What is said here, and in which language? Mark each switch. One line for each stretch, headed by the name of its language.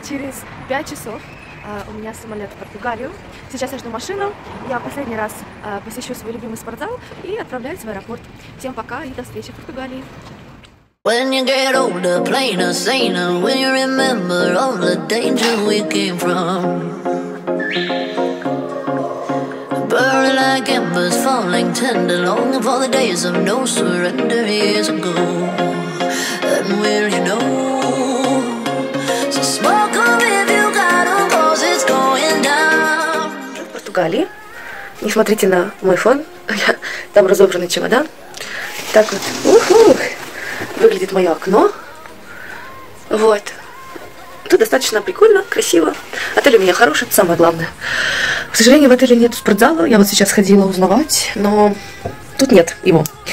Russian: Через 5 часов у меня самолет в Португалию. Сейчас я жду машину. Я последний раз посещу свой любимый спортзал и отправляюсь в аэропорт. Всем пока и до встречи в Португалии.
English: When you get older, plainer, saner, will you remember all the danger we came from? Burning like embers, falling tender, longing for the days of no surrender years ago. And will you know? So smoke up if you got 'em, 'cause it's going down.
Russian: Португалии. Не смотрите на мой фон, там разобранный чемодан. Так вот, ух-ух. Выглядит мое окно. Вот. Тут достаточно прикольно, красиво. Отель у меня хороший, это самое главное. К сожалению, в отеле нет спортзала. Я вот сейчас ходила узнавать, но тут нет его.